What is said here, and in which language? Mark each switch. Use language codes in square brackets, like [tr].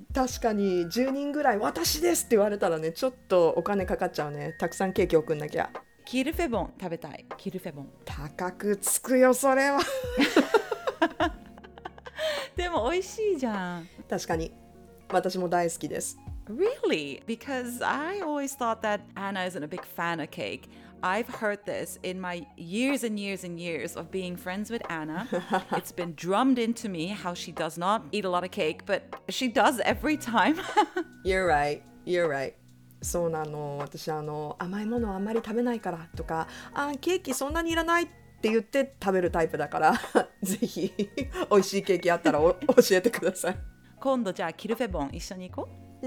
[ja] 確かに10人ぐらい私ですって言われたらね、ちょっとお金かかっちゃうね。たくさんケーキ送んなきゃ。キルフェボン食べたい。キルフェボン高くつくよ、それは。でも美味しいじゃん。確かに私も大好きです。 [en] Really? Because I always thought that Anna isn't a big fan of cake. I've heard this in my years and years and years of being friends with Anna. It's been drummed into me how she does not eat a lot of cake, but she does every time. You're right. [ja] そうなの。私甘いものあんまり食べないからとか、ケーキそんなにいらないっって言って食べるタイプだからぜひ美味しいケーキあったら教えてください。今度じゃあキルフェボン一緒に行こう